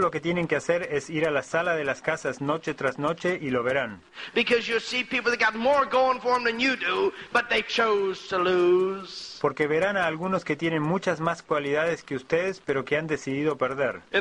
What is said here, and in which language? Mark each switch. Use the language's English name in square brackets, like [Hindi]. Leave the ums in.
[Spanish] lo que tienen que hacer es ir a la sala de las casas noche tras noche y lo verán. [English] Because you see people that got more going for them than you do, but they chose to lose. [Spanish] Porque verán a algunos que tienen muchas más cualidades que ustedes, pero que han decidido perder.